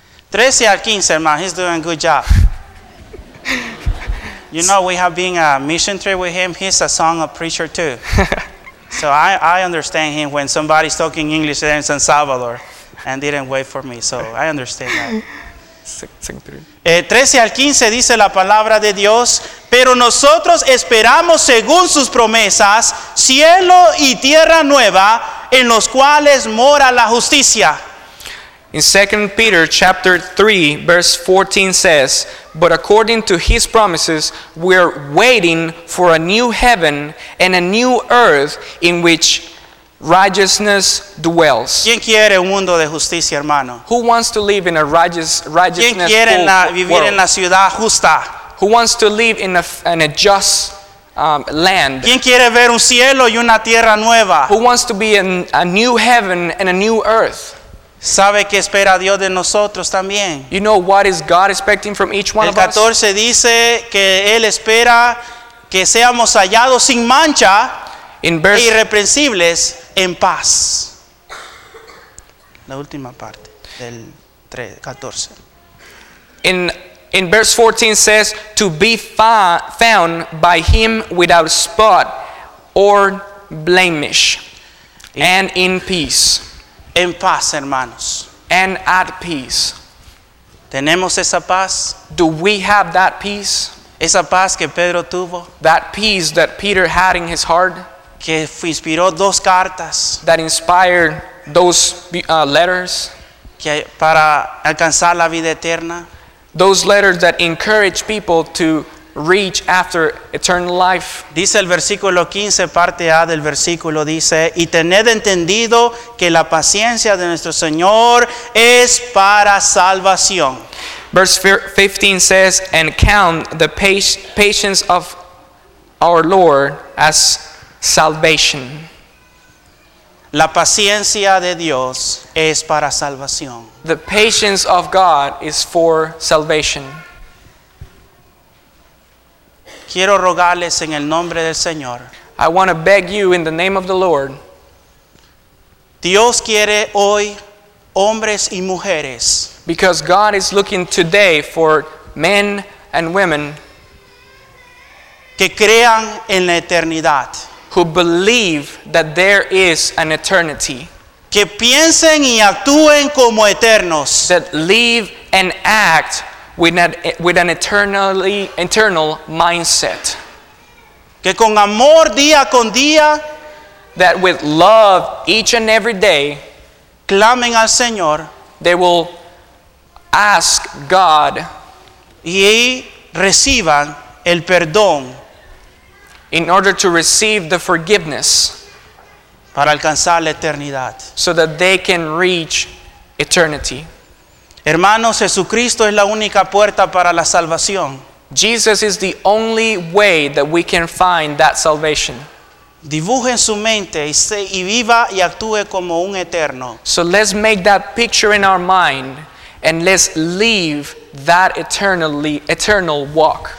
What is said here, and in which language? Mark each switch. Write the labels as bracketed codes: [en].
[es] 13 al 15, hermano, [en] he's doing a good job. You know, we have been a mission trip with him. He's a song of preacher too. So I understand him when somebody's talking English there in San Salvador and didn't wait for me. So I understand that. [es] 13 al 15 dice la palabra de Dios, pero nosotros esperamos según sus promesas cielo y tierra nueva en los cuales mora la justicia. [en] In 2 Peter chapter 3 verse 14 says, but according to his promises we're waiting for a new heaven and a new earth in which righteousness dwells. [es] ¿Quién quiere un mundo de justicia, hermano? [en] Who wants to live in a righteousness [es] ¿Quién quiere [en] full [es] vivir [en] world? [es] En la ciudad justa? [en] Who wants to live in a just land? [es] ¿Quién quiere ver un cielo y una tierra nueva? [en] Who wants to be in a new heaven and a new earth? [es] ¿Sabe qué espera Dios de nosotros también? [en] You know what is God expecting from each one of us? [es] El 14 dice que Él espera que seamos hallados sin mancha. [en] In verse, [es] irreprensibles en paz. La última parte del 14. [en] In verse 14 says, to be found by him without spot or blemish and in peace. [es] En paz, hermanos. [en] And at peace. [es] ¿Tenemos esa paz? [en] Do we have that peace? [es] Esa paz que Pedro tuvo. [en] That peace that Peter had in his heart. [es] Que inspiró dos cartas. [en] That inspired those letters. [es] Que para alcanzar la vida eterna. [en] Those letters that encourage people to reach after eternal life. [es] Dice el versículo 15, parte A del versículo, dice, y tened entendido que la paciencia de nuestro Señor es para salvación. [en] Verse 15 says, and count the patience of our Lord as salvation. [es] La paciencia de Dios es para salvación. [en] The patience of God is for salvation. [es] Quiero rogarles en el nombre del Señor. [en] I want to beg you in the name of the Lord. [es] Dios quiere hoy hombres y mujeres. [en] Because God is looking today for men and women [es] que crean en la eternidad. [en] Who believe that there is an eternity. [es] Que piensen y actúen como eternos. [en] That live and act with an eternal mindset. [es] Que con amor día con día. [en] That with love each and every day. [es] Clamen al Señor. [en] They will ask God. [es] Y reciban el perdón. [en] In order to receive the forgiveness. [es] Para alcanzar la eternidad. [en] So that they can reach eternity. [es] Hermanos, Jesucristo es la única puerta para la salvación. [en] Jesus is the only way that we can find that salvation. [es] Dibuje en su mente y viva y actúe como un eterno. [en] So let's make that picture in our mind and let's leave that eternal walk.